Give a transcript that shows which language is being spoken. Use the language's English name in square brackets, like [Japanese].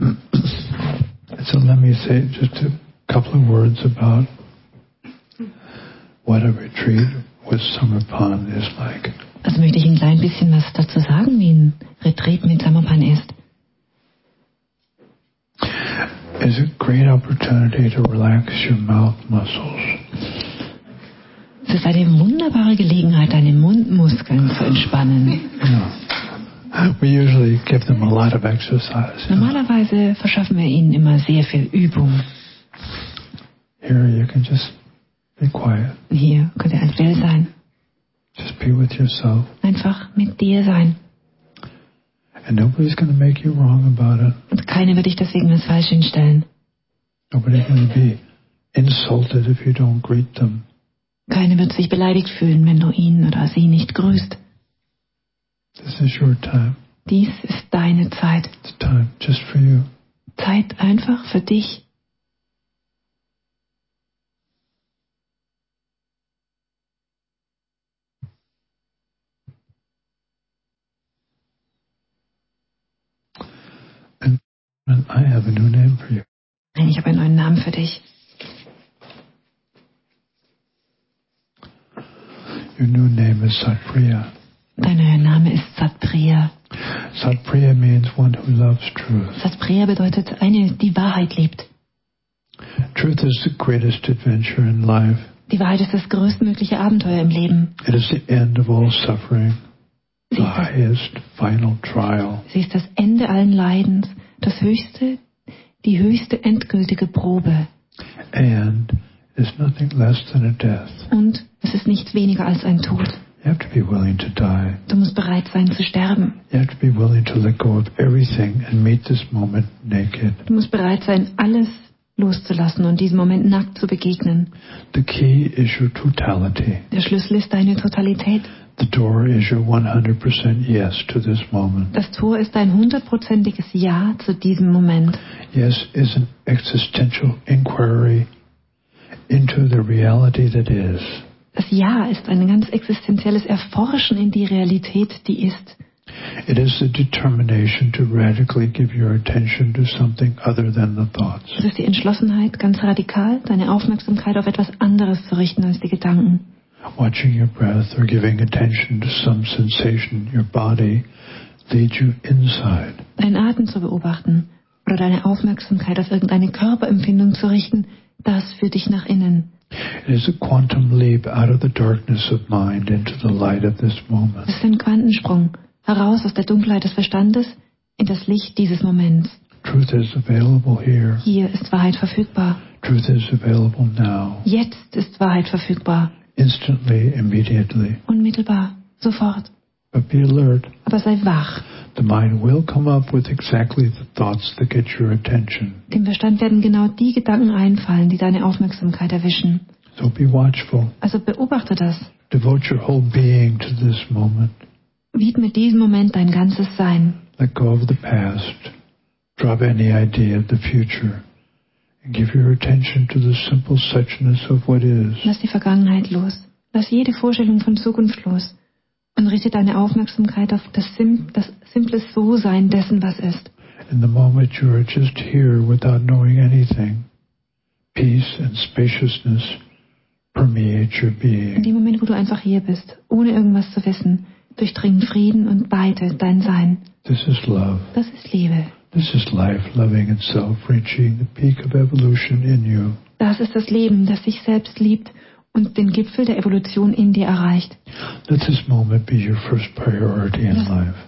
[English] So let me say just a couple of words about what a retreat with Samapan is like. [German] Also möchte ich ein klein bisschen was dazu sagen, wie ein Retreat mit Samapan ist. [English] It's a great opportunity to relax your mouth muscles. [German] Es ist eine wunderbare Gelegenheit, deine Mundmuskeln zu entspannen. [English] We usually give them a lot of exercise. [German] Normalerweise verschaffen wir ihnen immer sehr viel Übung. [English] Here you can just be quiet. [German] Hier könnt ihr einfach still sein. [English] Just be with yourself. [German] Einfach mit dir sein. [English] And nobody's going to make you wrong about it. [German] Und keiner wird dich deswegen als falsch hinstellen. [English] Nobody's going to be insulted if you don't greet them. [German] Keiner wird sich beleidigt fühlen, wenn du ihn oder sie nicht grüßt. [English] This is your time. [German] Dies ist deine Zeit. [English] It's time just for you. [German] Zeit einfach für dich. [English] And I have a new name for you. [German] Nein, ich habe einen neuen Namen für dich. [English] Your new name is Satpriya. [German] Dein neuer Name ist Satpriya. [English] Satpriya means one who loves truth. [German] Satpriya bedeutet eine, die Wahrheit liebt. [English] Truth is the greatest adventure in life. [German] Die Wahrheit ist das größtmögliche Abenteuer im Leben. [English] It is the end of all suffering, the highest final trial. [German] Sie ist das Ende allen Leidens, das höchste, die höchste endgültige Probe. [English] And is nothing less than a death. [German] Und es ist nichts weniger als ein Tod. [English] You have to be willing to die. [German] Du musst bereit sein zu sterben. [English] You have to be willing to let go of everything and meet this moment naked. [German] Du musst bereit sein, alles loszulassen und diesem Moment nackt zu begegnen. [English] The key is your totality. [German] Der Schlüssel ist deine Totalität. [English] The door is your 100% yes to this moment. [German] Das Tor ist dein hundertprozentiges Ja zu diesem Moment. [English] Yes is an existential inquiry into the reality that is. [German] Das Ja ist ein ganz existenzielles Erforschen in die Realität, die ist. [English] It is the determination to radically give your attention to something other than the thoughts. [German] Es ist die Entschlossenheit, ganz radikal deine Aufmerksamkeit auf etwas anderes zu richten als die Gedanken. [English] Watching your breath or giving attention to some sensation in your body leads you inside. [German] Deinen Atem zu beobachten oder deine Aufmerksamkeit auf irgendeine Körperempfindung zu richten, das führt dich nach innen. [English] It is a quantum leap out of the darkness of mind into the light of this moment. [German] Es ist ein Quantensprung heraus aus der Dunkelheit des Verstandes in das Licht dieses Moments. [English] Truth is available here. [German] Hier ist Wahrheit verfügbar. [English] Truth is available now. [German] Jetzt ist Wahrheit verfügbar. [English] Instantly, immediately. [German] Unmittelbar, sofort. [English] But be alert. [German] Aber sei wach. [English] The mind will come up with exactly the thoughts that get your attention. [German] Dem Verstand werden genau die Gedanken einfallen, die deine Aufmerksamkeit erwischen. [English] So be watchful. [German] Also beobachte das. [English] Devote your whole being to this moment. [German] Widme diesem Moment dein ganzes Sein. [English] Let go of the past. Drop any idea of the future. And give your attention to the simple suchness of what is. [German] Lass die Vergangenheit los. Lass jede Vorstellung von Zukunft los. Und richte deine Aufmerksamkeit auf das simple So-Sein dessen, was ist. [English] In the moment you are just here without knowing anything, peace and spaciousness permeate your being. [German] In dem Moment, wo du einfach hier bist, ohne irgendwas zu wissen, durchdringen Frieden und Weite dein Sein. [English] This is love. [German] Das ist Liebe. [English] This is life loving itself, reaching the peak of evolution in you. [German] Das ist das Leben, das sich selbst liebt und den Gipfel der Evolution in dir erreicht. [English] Let this moment be your first priority in life.